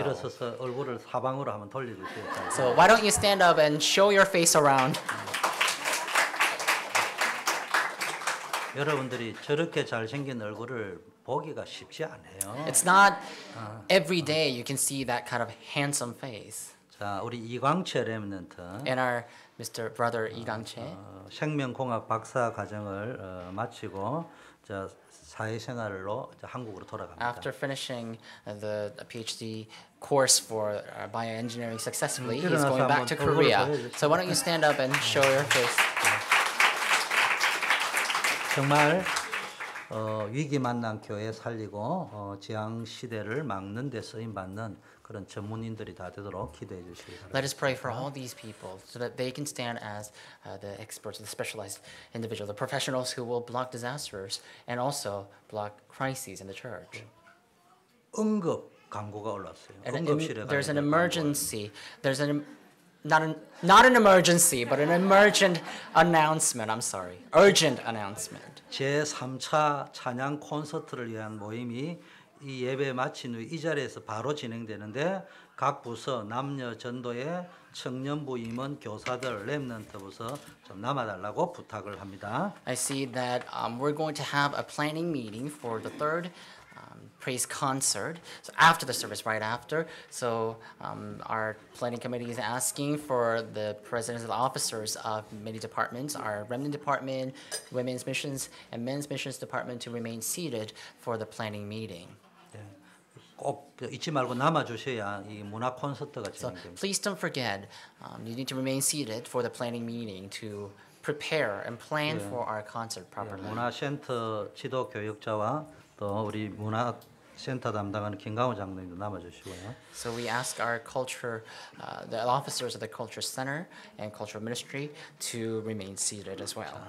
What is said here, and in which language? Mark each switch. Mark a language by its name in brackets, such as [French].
[Korean] 일어서서 얼굴을 사방으로 한번 돌려주세요. [English] So why don't you stand up and show your face around? [Korean] 여러분들이 저렇게 잘생긴 얼굴을 보기가 쉽지 않아요. [English] It's not every day you can see that kind of handsome face. [Korean] 자, 우리 이광채 렘넌트. [English] And our Mr. Brother 이강채. [Korean] 생명공학 박사 과정을 마치고 자 사회생활로 한국으로 돌아갑니다. [English] After finishing the PhD course for bioengineering successfully, he's going back to Korea. So why don't you stand up and show your face? [Korean] 정말 위기 만난 교회 살리고 지향 시대를 막는 데 쓰임 받는 그런 전문인들이 다 되도록 기도해 주시기 바랍니다. [English] Let us pray for all these people so that they can stand as the experts, the specialized individuals, the professionals who will block disasters and also block crises in the church. [Korean] 응급 광고가 올랐어요. 응급실에 [English] There's an emergency. There's an not an emergency, but an emergent announcement. I'm sorry. Urgent announcement. [Korean] 제3차 찬양 콘서트를 위한 모임이 이 예배 마친 후이 자리에서 바로 진행되는데 각 부서 남녀 전도에 청년부 임원 교사들 렘넌트 부서 좀 남아달라고 부탁을 합니다. [English] I see that we're going to have a planning meeting for the third praise concert. So after the service, right after. So our planning committee is asking for the presidents and officers of many departments, our remnant department, women's missions, and men's missions department to remain seated for the planning meeting. [Korean] 꼭 잊지 말고 남아주셔야 이 문화 콘서트가 진행됩니다. [English] So please don't forget, you need to remain seated for the planning meeting to prepare and plan yeah. for our concert properly. Yeah. [Korean] 문화센터 지도 교육자와 또 우리 문화센터 담당하는 김강호 장로님도 남아주시고요. [English] So we ask our culture, the officers of the culture center and cultural ministry to remain seated as well.